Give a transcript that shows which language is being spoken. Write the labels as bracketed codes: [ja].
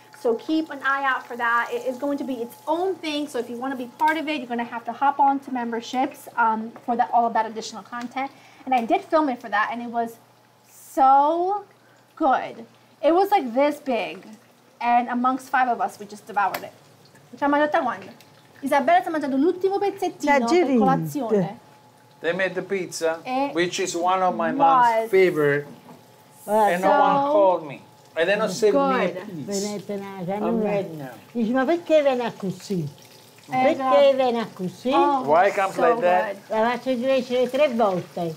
[en] So keep an eye out for that. It is going to be its own thing. So if you want to be part of it, you're going to have to hop on to memberships for that, all of that additional content. And I did film it for that, and it was so good. It was like this big. And amongst five of us, we just devoured it. [it] Ci ha mangiato one. Isabella si è mangiato l'ultimo pezzettino per colazione. [en] They made the pizza, which is one of my mom's favorite. And no one called me. And they don't save me a piece. I'm ready now. [it] Ma perché venne così? Perché venne così? [en] Why I come like that? [it] La faccio crescere tre volte.